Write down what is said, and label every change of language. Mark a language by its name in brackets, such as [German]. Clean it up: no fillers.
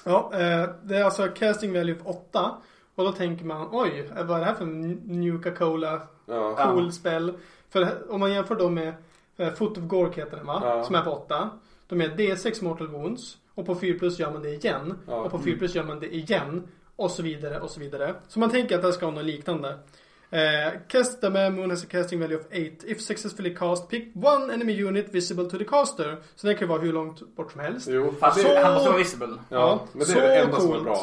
[Swedish] Ja, det är alltså casting value på 8. Och då tänker man, oj, vad är det här för Nuka-Cola? Ja. [English] Cool spell. [Swedish] För om man jämför då med Foot of Gork heter den, va? Ja. Som är på 8. De är D6 Mortal Wounds. Och på 4 plus gör man det igen. Ja. Och på 4 plus gör man det igen. Och så vidare och så vidare. Så man tänker att det ska vara något liknande. [English] Cast the man, moon has a casting value of 8. If successfully cast, pick one enemy unit visible to the caster. [Swedish] Så det kan vara hur långt bort som helst. Jo, fast så... han måste vara visible. Ja, men det är det enda coolt.